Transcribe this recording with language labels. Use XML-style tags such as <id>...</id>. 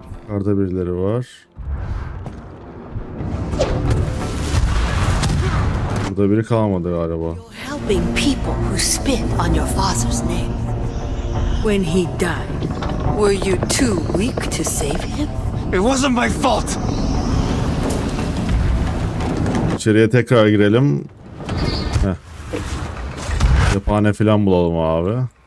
<tr>Arada birileri var. Burada biri kalmadı galiba.</tr> <en>Helping people who spit on your father's name. When he died, were you too weak to save him? It wasn't my fault.</en> <tr>İçeriye tekrar girelim. Cephane falan bulalım abi.</tr>